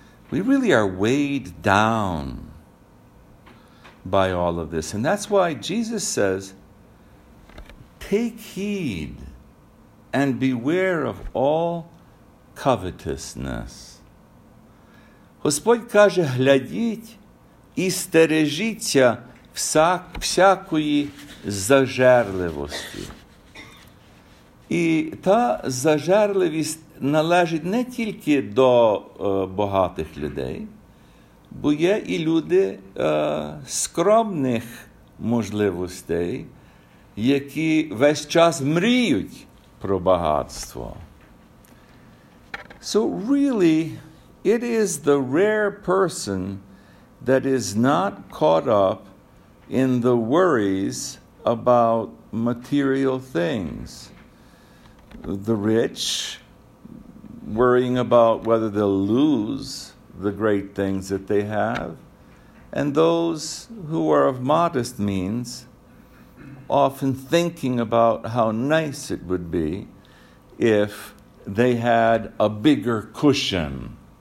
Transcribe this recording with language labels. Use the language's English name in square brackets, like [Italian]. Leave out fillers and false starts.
[English] We really are weighed down by all of this. And that's why Jesus says, take heed and beware of all covetousness. [Ukrainian] Господь каже, глядіть і стережіться всякої зажерливості. І та зажерливість належить не тільки до багатих людей, бо є і люди скромних можливостей, які весь час мріють про багатство. [English] So really, it is the rare person that is not caught up in the worries about material things. The rich, worrying about whether they'll lose the great things that they have, and those who are of modest means, often thinking about how nice it would be if they had a bigger cushion.